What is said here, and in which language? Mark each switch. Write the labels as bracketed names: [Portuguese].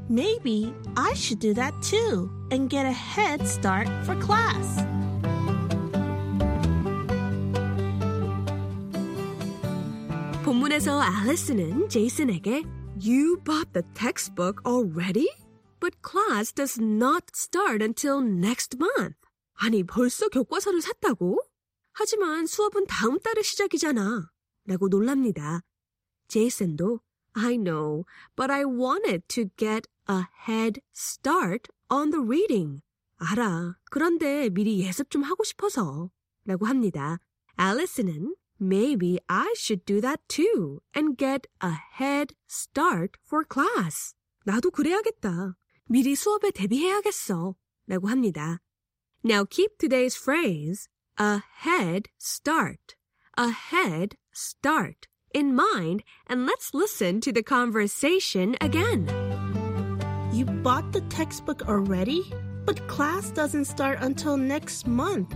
[English] Maybe I should do that too and get a head start for class. [Korean] So Allison은 Jason에게 [English] You bought the textbook already? But class does not start until next month. [Korean] 아니, 벌써 교과서를 샀다고? 하지만 수업은 다음 달에 시작이잖아. 라고 놀랍니다. Jason도 [English] I know, but I wanted to get a head start on the reading. [Korean] 알아, 그런데 미리 예습 좀 하고 싶어서. 라고 합니다. [English] Allison은 Maybe I should do that too and get a head start for class. [Korean] 나도 그래야겠다. 미리 수업에 대비해야겠어. 라고 합니다. [English] Now keep today's phrase, a head start. A head start in mind and let's listen to the conversation again. You bought the textbook already? But class doesn't start until next month.